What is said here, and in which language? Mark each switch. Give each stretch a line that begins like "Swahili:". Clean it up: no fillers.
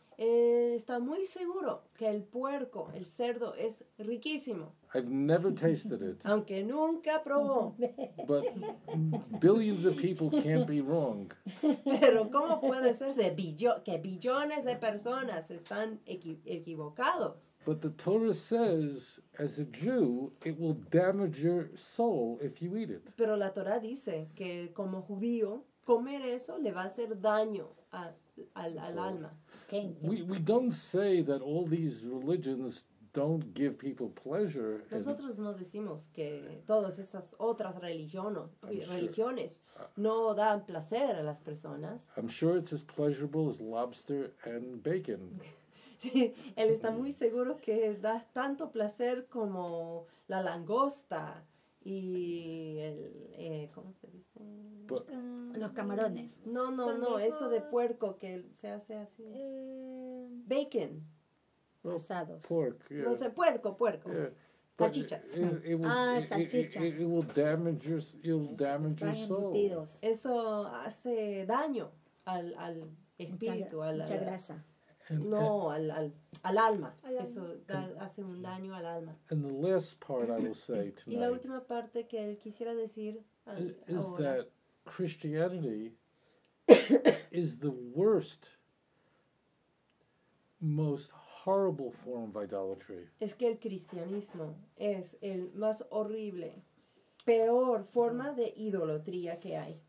Spanish: Está muy seguro que el puerco, el cerdo, es riquísimo.
English: I've never tasted it.
Spanish: Aunque nunca probó.
English: But billions of people can't be wrong.
Spanish: Pero ¿cómo puede ser de que billones de personas están equivocados?
English: But the Torah says, as a Jew, it will damage your soul if you eat it.
Spanish: Pero la Torah dice que como judío, comer eso le va a hacer daño al alma.
English: We don't say that all these religions don't give people pleasure.
Spanish: Nosotros no decimos que todas estas otras religiones no dan placer a las personas.
English: I'm sure it's as pleasurable as lobster and bacon.
Spanish: Sí, él está muy seguro que da tanto placer como la langosta y el ¿cómo se dice?
English: But,
Spanish: los camarones. No, eso de puerco que se hace así. Bacon. well, asados.
English: Pork, yeah.
Spanish: No sé, puerco. Yeah. Salchichas.
English: It will damage your, you'll damage your soul.
Spanish: Embutidos. Eso hace daño al espíritu, mucha grasa. Al alma. Eso hace un daño al alma.
English: And the last part I will say tonight.
Spanish: Y la última parte que él quisiera decir
English: is that Christianity is the worst, most horrible form of idolatry.
Spanish: Es que el cristianismo es el más horrible, peor forma de idolatría que hay.